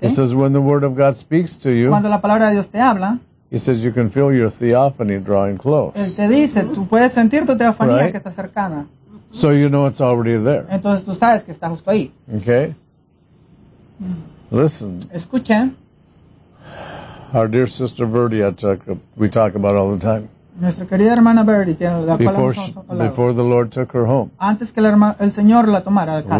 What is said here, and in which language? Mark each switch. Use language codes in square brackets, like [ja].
[en] He says, when the word of God speaks to you. [es] Cuando la palabra de Dios te habla. [en] He says, you can feel your theophany drawing close. [es] Él te dice, tú puedes sentir tu teofanía, right? Que está cercana. [en] So you know it's already there. [es] Entonces tú sabes que está justo ahí. [en] Okay. Listen. [es] Escucha. [en] Our dear sister Birdie, we talk about all the time. [es] Nuestra querida hermana Birdie, [en] before the Lord took her home. [es] Antes que el Señor la tomara al casa.